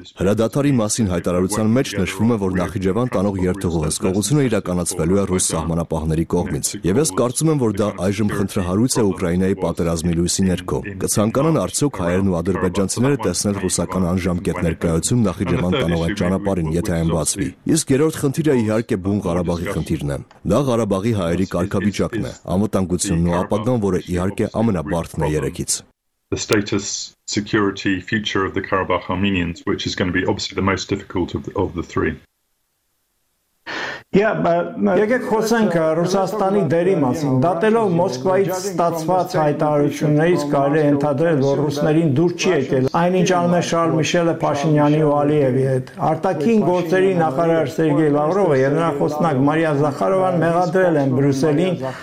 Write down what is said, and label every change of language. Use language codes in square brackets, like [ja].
[hy] Հրադադարի մասին հայտարարության մեջ նշվում է, որ Նախիջևան տանող երթուղու հսկողությունը իրականացվելու է ռուս սահմանապահների կողմից։ Եվ ես կարծում եմ, որ դա այժմ խնդրահարույց է Ուկրաինայի պատերազմի լույսի ներքո։ Կցանկանան արդյոք հայերն ու ադրբեջանցիները տեսնել ռուսական անժամկետ ներկայություն Նախիջևան տանող այդ ճանապարհին, եթե այն բացվի։ Իսկ երրորդ խնդիրը իհարկե բուն Ղարաբաղի խնդիրն է։ Դա Ղարաբաղի հայերի կարգավիճակն է, անվտանգությունն ու ապագան, որը իհարկե ամենաբարձրն է երեքից։ [en] The status, security, future of the Karabakh Armenians, which is going to be obviously the most difficult of the three. [hy] Եկեք խոսենք Ռուսաստանի դերի մասին։ Դատելով Մոսկվայից ստացված հայտարարություններից կարելի է ենթադրել, որ ռուսներին դուր չի եկել, այնինչ անում է Շարլ Միշելը Փաշինյանի ու Ալիևի հետ։ Արտաքին գործերի նախարար Սերգեյ Լավրովը և նրա խոսնակ Մարիա Զախարովան մեղադրել են Բրյուսելին